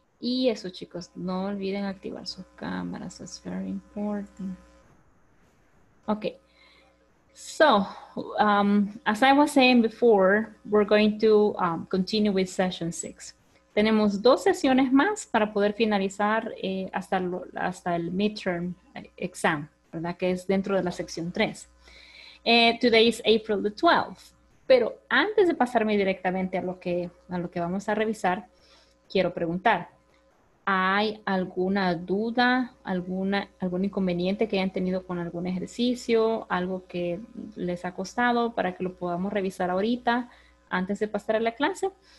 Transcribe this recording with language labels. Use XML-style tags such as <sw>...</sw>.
<es>Y eso, chicos, no olviden activar sus cámaras.</es> <en>That's very important. Okay. So, as I was saying before, we're going to continue with session 6.</en> <es>Tenemos 2 sesiones más para poder finalizar hasta el midterm exam, ¿verdad? Que es dentro de la sección 3.</es> <en>Today is April the 12th.</en> <es>Pero antes de pasarme directamente a lo que vamos a revisar, quiero preguntar, ¿hay alguna duda, algún inconveniente que hayan tenido con algún ejercicio, algo que les ha costado para que lo podamos revisar ahorita antes de pasar a la clase?</es>